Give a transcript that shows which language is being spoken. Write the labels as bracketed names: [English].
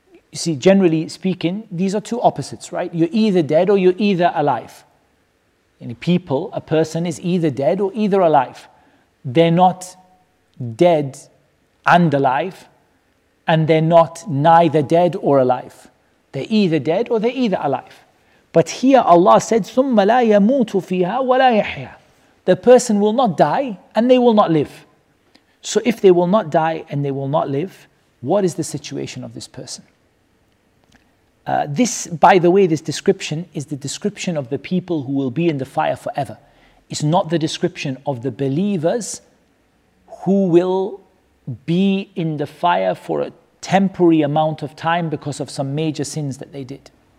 [English] You see, generally speaking, these are two opposites, right? You're either dead or you're either alive. Any people, a person is either dead or either alive. They're not dead and alive, and they're not neither dead or alive. They're either dead or they're either alive. But here Allah said, [Arabic] ثُمَّ لَا يَمُوتُ فِيهَا وَلَا يَحْيَى. [English] The person will not die and they will not live. So if they will not die and they will not live, what is the situation of this person? This, by the way, this description is the description of the people who will be in the fire forever. It's not the description of the believers who will be in the fire for a temporary amount of time because of some major sins that they did.